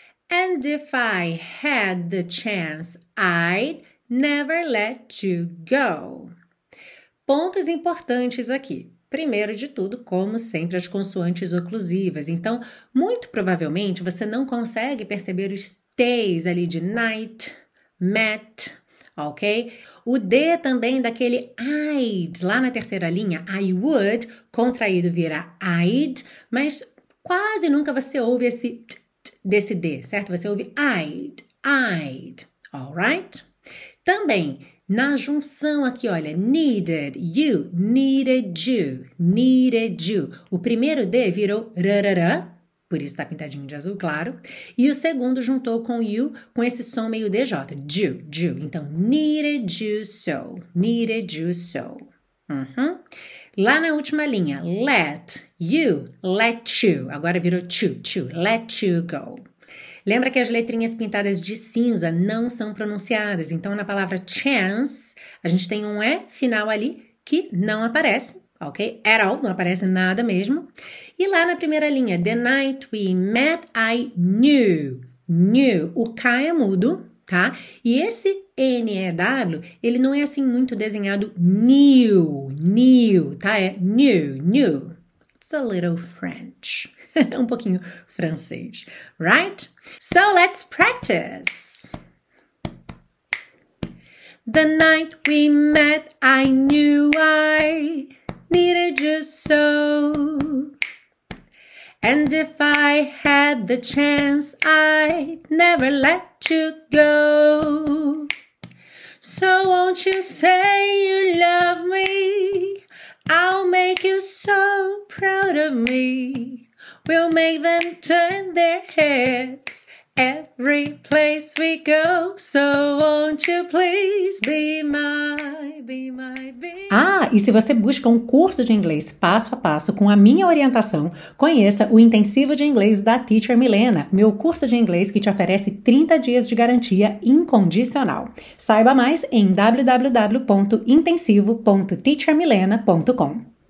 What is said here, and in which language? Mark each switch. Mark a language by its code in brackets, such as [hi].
[en] And if I had the chance, I'd never let you go. [pt] Pontos importantes aqui. Primeiro de tudo, como sempre, as consoantes oclusivas. Então, muito provavelmente, você não consegue perceber os T's ali de night, met, ok? O D também daquele I'd, lá na terceira linha, I would, contraído vira I'd, mas quase nunca você ouve esse t, t desse D, certo? Você ouve I'd, I'd, alright? Também, na junção aqui, olha, needed you, needed you, needed you. O primeiro D virou rarará, por isso tá pintadinho de azul, claro. E o segundo juntou com you, com esse som meio DJ, you, you. Então, needed you so, needed you so. Uhum. Lá na última linha, let you, let you. Agora virou to, to, let you go. Lembra que as letrinhas pintadas de cinza não são pronunciadas. Então, na palavra chance, a gente tem um E final ali que não aparece, ok? At all, não aparece nada mesmo. E lá na primeira linha, [en] the night we met, I knew. [pt] Knew. O K é mudo, tá? E esse N-E-W, ele não é assim muito desenhado new, new, tá? [en] É new, new. It's a little French. [pt] Um pouquinho francês, right? [en] So let's practice. The night we met, I knew I needed you so. And if I had the chance, I'd never let you go. So won't you say you love me? I'll make you so proud of me. We'll make them turn their heads every place we go. So won't you please be my, be my, be my. [pt] Ah, e se você busca um curso de inglês passo a passo com a minha orientação, conheça o Intensivo de Inglês da Teacher Milena, meu curso de inglês que te oferece 30 dias de garantia incondicional. Saiba mais em www.intensivo.teachermilena.com.